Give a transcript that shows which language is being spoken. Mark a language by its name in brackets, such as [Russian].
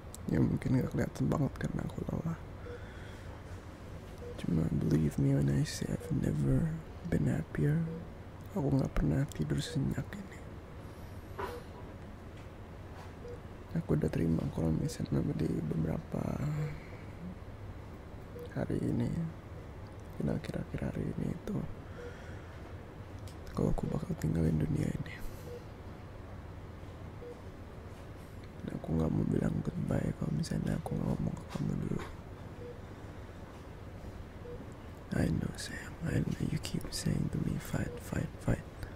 [Indonesian] Ya mungkin nggak kelihatan banget karena aku lelah. [English] Believe me when I say I've never been happier. [Indonesian] Aku gak pernah tidur senyak ini. Aku udah terima kalau misalnya di beberapa hari ini, kira-kira hari ini itu, kalau aku bakal tinggalin dunia ini. Dan aku gak mau bilang goodbye kalau misalnya aku ngomong ke kamu dulu. [English] I know, Sam. I know you keep saying to me, fight, fight, fight.